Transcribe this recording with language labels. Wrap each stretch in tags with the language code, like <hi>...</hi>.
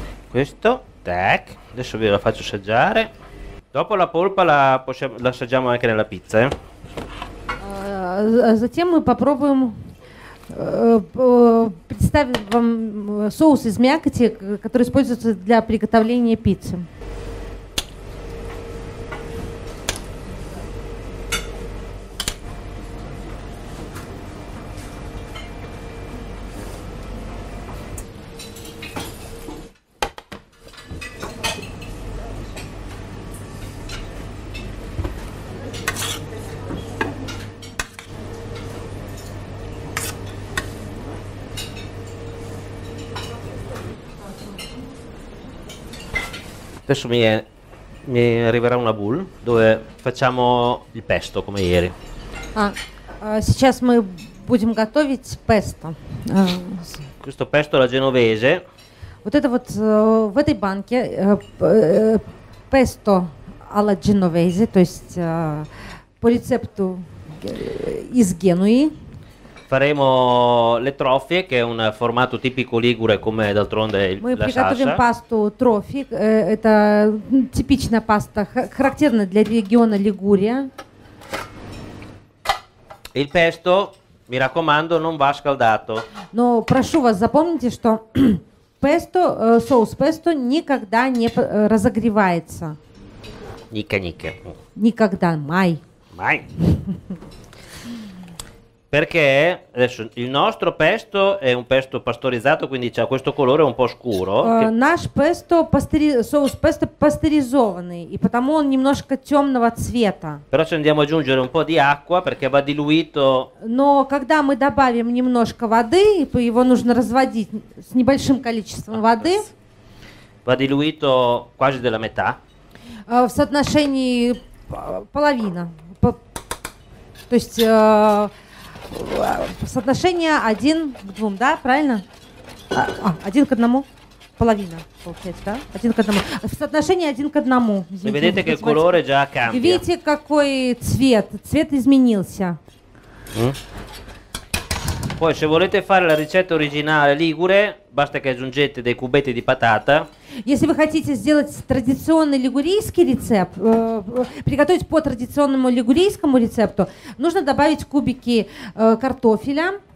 <it>Questo, tac, adesso ve la faccio assaggiare. Dopo la polpa la possiamo, la assaggiamo anche nella pizza, eh?</it> <ru>Затем мы попробуем представим вам соус из мякоти, который используется для приготовления пиццы.</ru> <it>Adesso mi arriverà una boule dove facciamo il pesto come ieri.</it> <ru>Сейчас мы будем готовить pesto.</ru> <it>Questo pesto alla genovese.</it> <ru>Вот это вот в этой банке pesto alla genovese, то есть по рецепту из Генуи.</ru> <it>Faremo le trofie, che è un formato tipico ligure, come d'altronde la salsa.</it> <ru>Мы приготовим пасту трофи. Это типичная паста, характерная для региона Лигурия.</ru> <it>Il pesto, mi raccomando, non va scaldato.</it> <ru>Но прошу вас запомните, что pesto, соус pesto никогда не разогревается. Никогда. Никогда, mai.</ru> <it>Mai. Perché adesso il nostro pesto è un pesto pastorizzato, quindi c'ha questo colore un po' scuro.</it> <ru>Наш pesto соус pesto пастеризованный, и потому он немножко темного цвета.</ru> <it>Però ci andiamo ad aggiungere un po' di acqua perché va diluito.</it> <ru>Но когда мы добавим немножко воды, его нужно разводить с небольшим количеством воды.</ru> <it>Va diluito quasi della metà.</it> <ru>В соотношении половина. То есть соотношение 1 к 2, да, правильно? 1 к 1, половина получается, да? 1 к 1. В соотношении 1 к 1. Видите, какой колор уже кампия. Видите, какой цвет? Цвет изменился.</ru> <it>Poi se volete fare la ricetta originale ligure, basta che aggiungete dei cubetti di patata.</it> <ru>Если вы хотите сделать традиционный лигурийский рецепт, приготовить по традиционному лигурийскому рецепту, нужно добавить кубики картофеля.</ru>